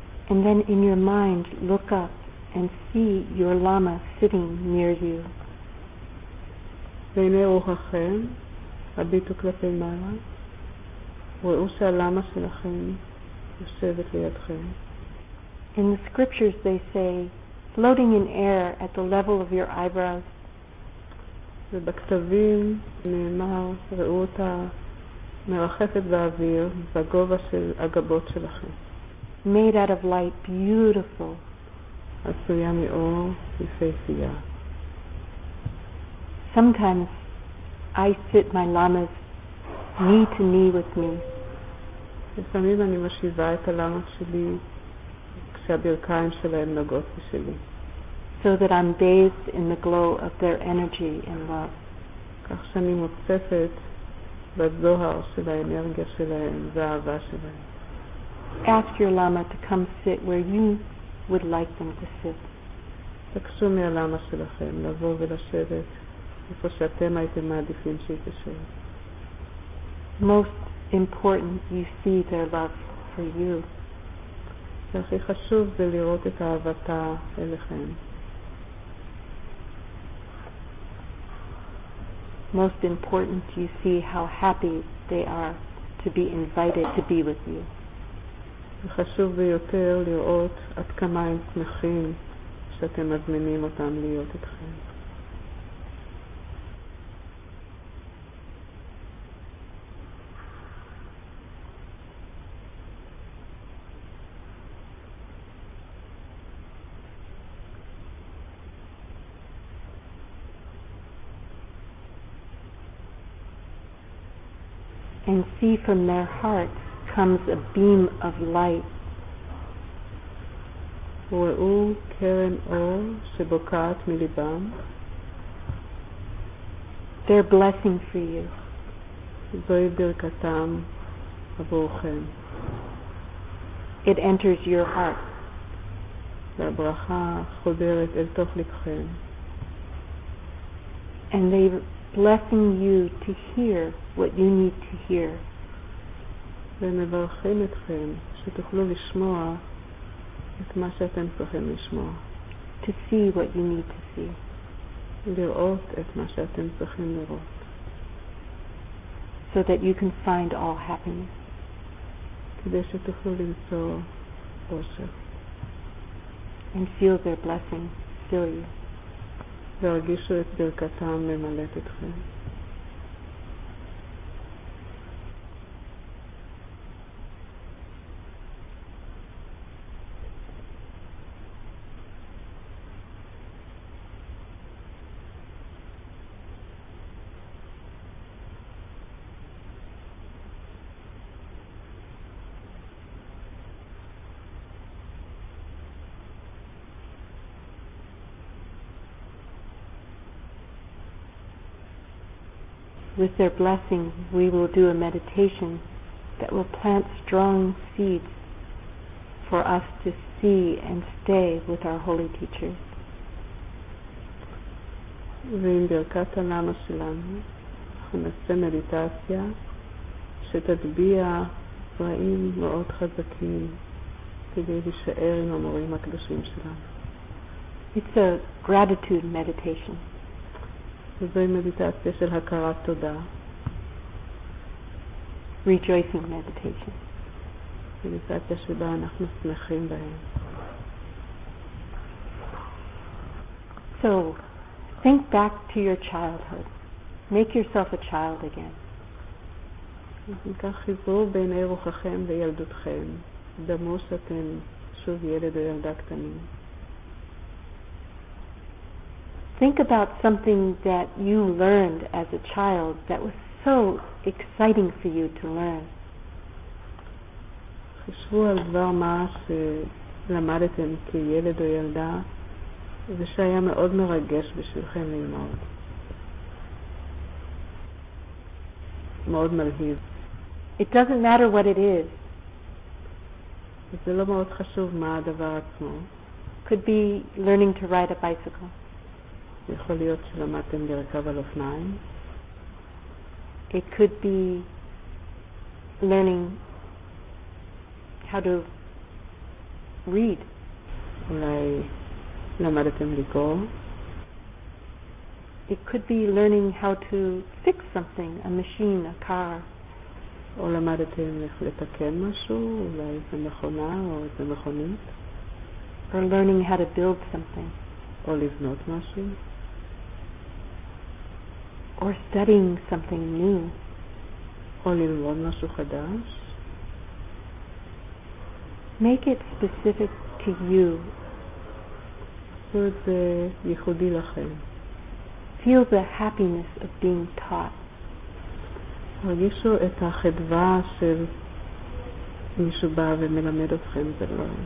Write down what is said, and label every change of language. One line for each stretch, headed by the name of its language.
English: And then in your mind, look up and see your Lama sitting near you.
Hebrew: בעיני רוחכם, הביטו כלפי מעלה, ראו שהלמה שלכם יושבת לידכם.
English: In the scriptures they say, floating in air at the level of your eyebrows.
Hebrew: ובכתבים נאמר, ראו אותה מרחפת באוויר בגובה של הגבות שלכם.
English: Made out of light, beautiful.
Hebrew: עשויה מאור יפהפייה.
English: Sometimes I sit my lamas knee to knee with me.
Hebrew: לפעמים אני משיבה את הלמות שלי כשהברכיים שלהם נוגעות בשלי.
English: So that I'm bathed in the glow of their energy and love.
Hebrew: כך שאני מוצפת בזוהר של האנרגיה שלהם והאהבה שלהם.
English: Ask your lama to come sit where you would like them to sit.
Hebrew: תקשו מהלמה שלכם לבוא ולשבת איפה שאתם הייתם מעדיפים שיתשאו.
English: Most important, you see their love for you.
Hebrew: והכי חשוב זה לראות את אהבתה אליכם.
English: Most important, you see how happy they are to be invited to be with you.
Hebrew: וחשוב ביותר לראות עד כמה הם שמחים שאתם מזמינים אותם להיות אתכם.
English: And see from their heart comes a beam of light.
Hebrew: ראו קרן אור שבוקעת מליבם.
English: Their blessing for you.
Hebrew: זוהי ברכתם עבורכם.
English: It enters your heart.
Hebrew: והברכה חודרת אל תוך לבכם.
English: And they blessing you to hear what you need to hear.
Hebrew: ומברכים אתכם שתוכלו לשמוע את מה שאתם צריכים לשמוע.
English: To see what you need to see.
Hebrew: לראות את מה שאתם צריכים לראות.
English: So that you can find all happiness.
Hebrew: כדי שתוכלו למצוא אושר.
English: And feel their blessing fill you.
Hebrew: והרגישו את ברכתם ממלאת אתכם.
English: With their blessing, we will do a meditation that will plant strong seeds for us to see and stay with our holy teachers.
Hebrew: ועם ברכת הלמה שלנו, נעשה מדיטציה שתטביע זרעים מאוד חזקים כדי להישאר עם המורים הקדושים שלנו.
English: It's a gratitude meditation.
Hebrew: זוהי מדיטציה של הכרת תודה.
English: Rejoicing meditation.
Hebrew: מדיטציה שבה אנחנו שמחים בהם.
English: So, think back to your childhood. Make yourself a child again.
Hebrew: כך חזרו בעיני רוחכם וילדותכם. דמו שאתם שוב ילד או ילדה קטנים.
English: Think about something that you learned as a child that was so exciting for you to learn.
Hebrew: חשבו על דבר מה שלמדתם כילד או ילדה ושהיה מאוד מרגש בשבילכם ללמוד. מאוד מלהיב.
English: It doesn't matter what it is.
Hebrew: זה לא מאוד חשוב מה הדבר עצמו.
English: Could be learning to ride a bicycle.
Hebrew: יכול להיות שלמדתם לרכב על אופניים.
English: It could be learning how to read? Ulai namaratam liko. It could be learning how to fix something, a machine, a car. Or
Hebrew: למדתם איך לתקן משהו, אולי זה מכונה או זה מכונית.
English: Or learning how to build something. Or
Hebrew: לבנות משהו.
English: Or studying something new. Or
Hebrew: ללמוד משהו חדש.
English: Make it specific to you. So it's
Hebrew: ייחודי לכם.
English: Feel the happiness of being taught.
Hebrew: תרגישו את החדווה של מישהו בא ומלמד אתכם, זה לא...